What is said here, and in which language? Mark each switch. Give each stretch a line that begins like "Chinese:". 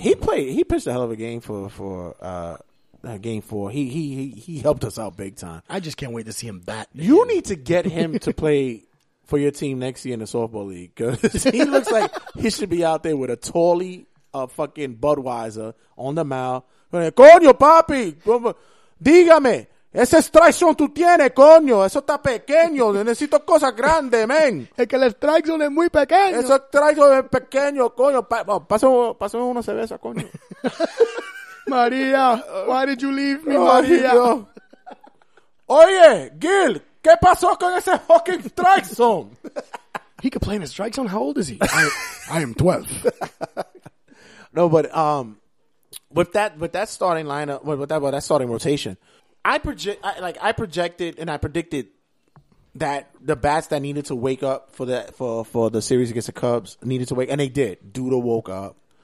English: He pitched a hell of a game for game four. He helped us out big time. I just can't wait to see him bat. You need to get him to play for your team next year in the softball league because he looks like he should be out there with a tallie, a fucking Budweiser on the mound.
Spanish: Coño, papi. Dígame. Ese strike zone tú tienes, coño. Eso está pequeño. Necesito cosas grandes, men. Es que el strike zone es muy pequeño. Eso strike zone es pequeño, coño. Pásame una cerveza, coño.
English: María, why did you leave me, María?
Spanish: Oye, Gil, ¿qué pasó con ese fucking strike zone?
English: He could play in a strike zone? How old is he? I am 12. No, but with that starting lineup, with that starting rotation, I predicted that the bats that needed to wake up for the series against the Cubs needed to wake, and they did. Duda woke up.